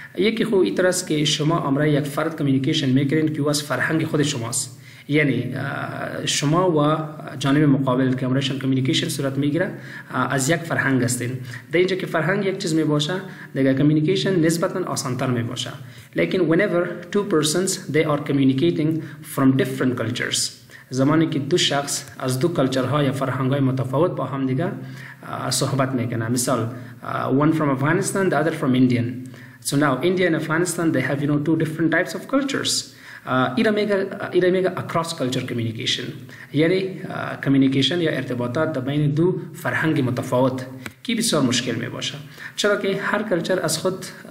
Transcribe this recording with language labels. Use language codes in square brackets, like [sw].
[fa] یکی خو ای طرح است که شما امرا یک فرد communication میکنیم که از فرهنگ خود شماست. یعنی شما و جانب مقابل که امرشن communication صورت میگیره از یک فرهنگ استین. در اینجا که فرهنگ یک چیز میباشه دیگه communication نسبتا آسانتر میباشه. [en] لیکن whenever two persons they are communicating from different cultures. [fa] زمانی که دو شخص از دو کلچرها یا فرهنگای متفاوت با هم دیگه صحبت میکنه مثال [en] one from Afghanistan the other from Indian so now India and Afghanistan they have two different types of cultures [fa] ایرمیگا [en] across culture communication [fa] یعنی communication یا ارتباطات بین دو فرهنگ متفاوت کی بسیار مشکل میباشه چرا که هر کلچر از خود